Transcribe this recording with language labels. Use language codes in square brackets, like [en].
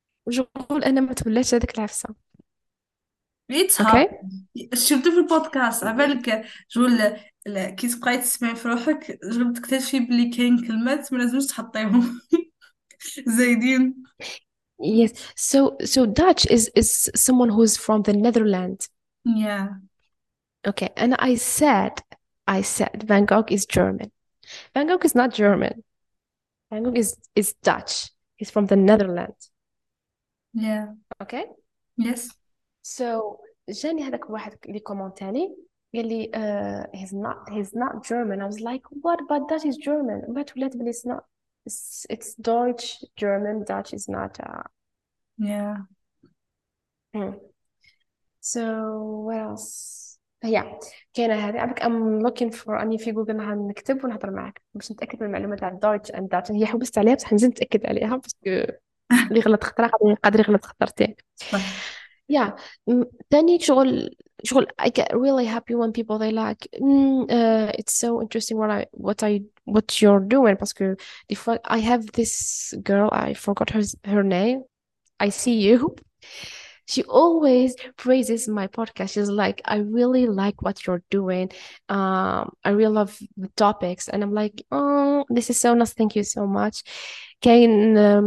[ar] شغل انا ما تبلاش هذيك العفسه. [en] ريت اوكي [ar] شفتو في البودكاست على بالك شغل كي تبقاي تسمعي في روحك شغل تكتشفي بلي كاين كلمات ما لازمش تحطيهم زايدين. [en] Yes. So Dutch is someone who's from the Netherlands. Yeah. Okay. And I said Van Gogh is German. Van Gogh is not German. Van Gogh is Dutch. He's from the Netherlands. Yeah. Okay. Yes. So [ar] جاني هذاك واحد لي كومونتاني قال لي [en] he's not German. I was like what but Dutch is German. But [ar] ولات بلي [en] it's Deutsch German Dutch is not Yeah. So what else? Yeah. [ar] كاينه هذه عبك [en] I'm looking for [ar] اني في جوجل نكتب ونهضر معاك باش نتاكد من المعلومات على Deutsch and Dutch. هي حبست عليها بصح نزيد نتاكد عليها باسكو لي غلط خطره قادر يغلط خطرتين. يا ثاني شغل [en] I get really happy when people they like it's so interesting what you're doing [ar] باسكو دي فوا [en] I have this girl I forgot her name I see you she always praises my podcast she's like I really like what you're doing I really love the topics and I'm like oh this is so nice thank you so much كاين